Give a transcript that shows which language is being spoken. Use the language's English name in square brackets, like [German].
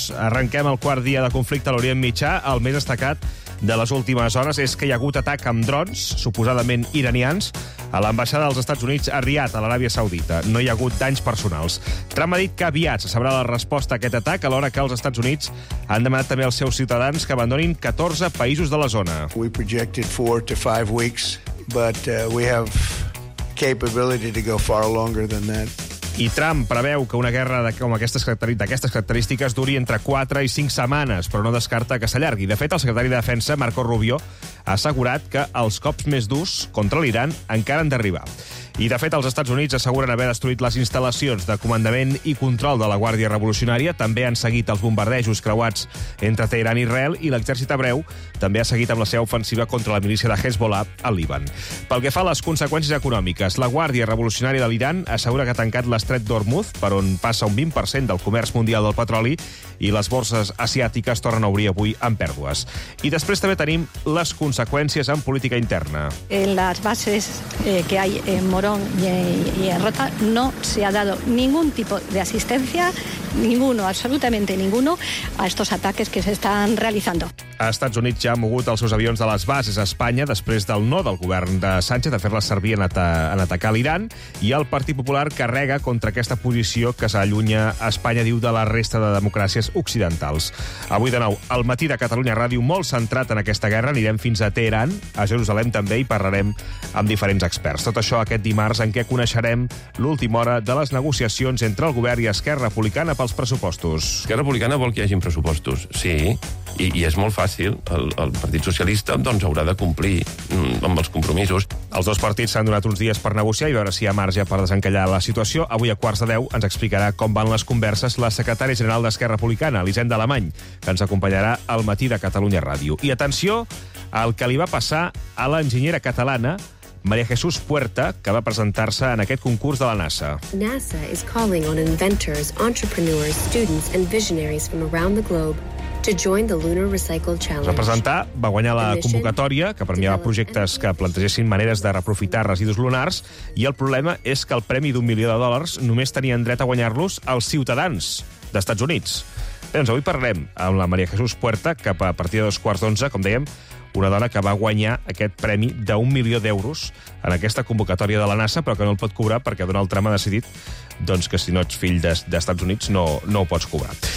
[Catalan] Arrenquem el quart dia de conflicte a l'Orient Mitjà. El més destacat de les últimes hores és que hi ha hagut atac amb drons, suposadament iranians, a l'ambaixada dels Estats Units a Riad, a l'Aràbia Saudita. No hi ha hagut danys personals. Trump ha dit que aviat se sabrà la resposta a aquest atac, alhora que els Estats Units han demanat també als seus ciutadans que abandonin 14 països de la zona. [English] We projected 4 to 5 weeks, but we have capability to go far longer than that. [Catalan] I Trump preveu que una guerra d'aquestes característiques duri entre 4 i 5 setmanes, però no descarta que s'allargui. De fet, el secretari de Defensa, Marco Rubio, ha assegurat que els cops més durs contra l'Iran encara han d'arribar. I, de fet, els Estats Units asseguren haver destruït les instal·lacions de comandament i control de la Guàrdia Revolucionària. També han seguit els bombardejos creuats entre Teheran i Israel, i l'exèrcit hebreu també ha seguit amb la seva ofensiva contra la milícia de Hezbollah al Líban. Pel que fa a les conseqüències econòmiques, la Guàrdia Revolucionària de l'Iran assegura que ha tancat l'estret d'Hormuz, per on passa un 20% del comerç mundial del petroli, i les borses asiàtiques tornen a obrir avui amb pèrdues. I després també tenim les conseqüències en política interna. [Spanish] En les bases que hay en Morón y en Rota no se ha dado ningún tipo de asistencia, ninguno, absolutamente ninguno, a estos ataques que se están realizando. [Catalan] A Estats Units ja ha mogut els seus avions de les bases a Espanya després del no del govern de Sánchez de fer-les servir en atacar l'Iran, i el Partit Popular carrega contra aquesta posició que s'allunya a Espanya, diu, de la resta de democràcies occidentals. Avui de nou, al matí de Catalunya Ràdio, molt centrat en aquesta guerra, anirem fins a Teheran, a Jerusalem també, i parlarem amb diferents experts. Tot això aquest dimarts, en què coneixerem l'última hora de les negociacions entre el govern i Esquerra Republicana pels pressupostos. Esquerra Republicana vol que hi hagin pressupostos, sí, i és molt fàcil. El Partit Socialista doncs haurà de complir amb els compromisos. Els dos partits s'han donat uns dies per negociar i veure si hi ha marge per desencallar la situació. Avui a quarts de 10 ens explicarà com van les converses la secretària general d'Esquerra Republicana, Elisenda Alemany, que ens acompanyarà al matí de Catalunya Ràdio. I atenció al que li va passar a l'enginyera catalana María Jesús Puerta, que va presentar-se en aquest concurs de la NASA. [English] NASA is calling on inventors, entrepreneurs, students and visionaries from around the globe to join the Lunar Recycle Challenge. [Catalan] Va presentar, va guanyar la convocatòria, que premiava projectes que plantegessin maneres de reaprofitar residus lunars, i el problema és que el premi $1 milió només tenien dret a guanyar-los els ciutadans d'Estats Units. Bé, doncs avui parlem amb la María Jesús Puerta, que a partir de 11:15, com dèiem, una dona que va guanyar aquest premi d'€1 milió en aquesta convocatòria de la NASA, però que no el pot cobrar perquè Donald Trump ha decidit doncs que si no ets fill d'Estats Units no ho pots cobrar.